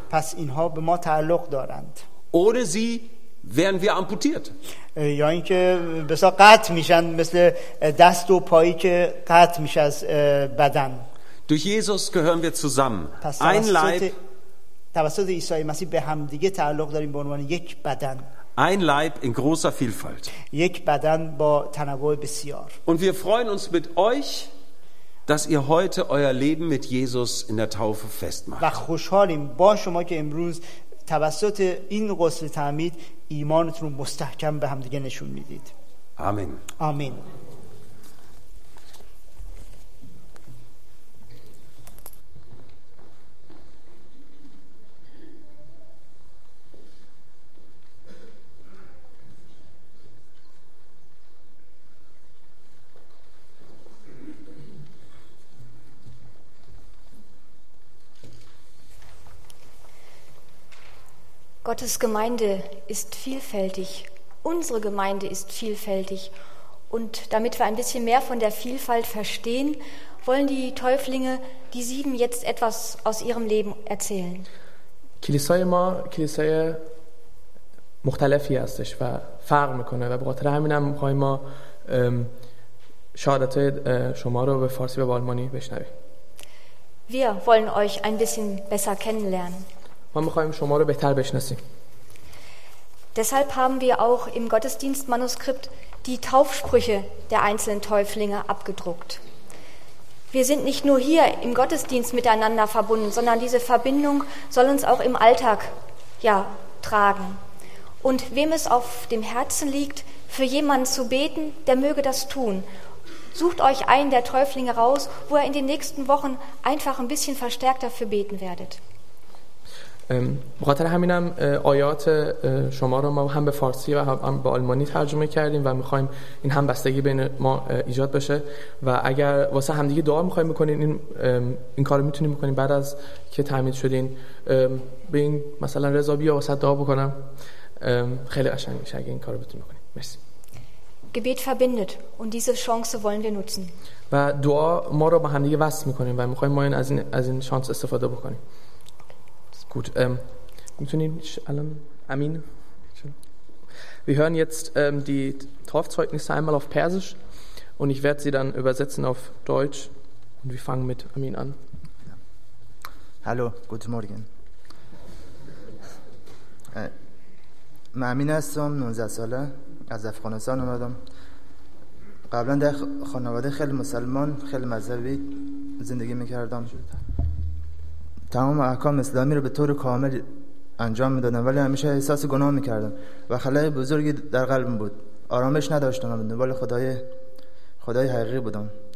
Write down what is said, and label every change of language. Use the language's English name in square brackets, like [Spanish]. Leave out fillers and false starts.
[Persian] پس اینها به ما تعلق دارند. [German] Ohne sie wären wir amputiert. [Persian] یا اینکه بسا قطع میشن مثل دست و پایی که قطع میشه از بدن. [German] Durch Jesus gehören wir zusammen. Ein Leib. [Persian] توسط عیسی مسیح به هم دیگه تعلق داریم به عنوان یک بدن. [German] Ein Leib in großer Vielfalt. [Persian] یک بدن با تنوع بسیار. [German] Und wir freuen uns mit euch, dass ihr heute euer Leben mit Jesus in der Taufe festmacht. [Persian] و خوشحالیم با شما که امروز توسط این غسل تعمید ایمانتون رو مستحکم به هم دیگه نشون میدید. آمین. آمین. [German] Gottes Gemeinde ist vielfältig. Unsere Gemeinde ist vielfältig. Und damit wir ein bisschen mehr von der Vielfalt verstehen, wollen die Täuflinge, die sieben, jetzt etwas aus ihrem Leben erzählen. [Persian] کلیسای ما کلیسای مختلفی هستش و فرق میکنه و بخاطر همین هم میخوایم ما شهادت شما رو به فارسی و به آلمانی بشنویم. [German] Wir wollen euch ein bisschen besser kennenlernen. [Persian] ما می‌خوایم شما رو بهتر بشناسیم. [German] Deshalb haben wir auch im Gottesdienstmanuskript die Taufsprüche der einzelnen Täuflinge abgedruckt. Wir sind nicht nur hier im Gottesdienst miteinander verbunden, sondern diese Verbindung soll uns auch im Alltag tragen. Und wem es auf dem Herzen liegt, für jemanden zu beten, der möge das tun. Sucht euch einen der Täuflinge raus, wo ihr in den nächsten Wochen einfach ein bisschen verstärkt dafür beten werdet. [Persian] بخاطر همینم آیات شما رو ما هم به فارسی و هم به آلمانی ترجمه کردیم و میخوایم این همبستگی بین ما ایجاد بشه و اگر واسه همدیگه دعا میخوایم بکنین این کار رو میتونیم بکنیم بعد از که تعمید شدین به این مثلا رضا بیا واسه دعا بکنم خیلی قشنگ میشه اگه این کار رو بتونیم بکنیم مرسی [German] Gebet verbindet und diese Chance wollen wir nutzen. [Persian] و دعا ما رو با همدیگه وصل میکنیم و میخوایم ما این از این شانس استفاده بکنیم. [German] Gut, können wir alle Amin? Wir hören jetzt die Taufzeugnisse einmal auf Persisch und ich werde sie dann übersetzen auf Deutsch und wir fangen mit Amin an. Ja. Hallo, guten Morgen. Amin ist 19 Jahre alt, aus Afghanistan gekommen. [Persian] قبلا در خانواده خیلی مسلمان، خیلی مذهبی زندگی می‌کردم. تمام احکام اسلامی رو به طور کامل انجام میدادم ولی همیشه احساس گناه میکردم و خلای بزرگی در قلبم بود. آرامش نداشتم و دنبال خدای حقیقی بودم.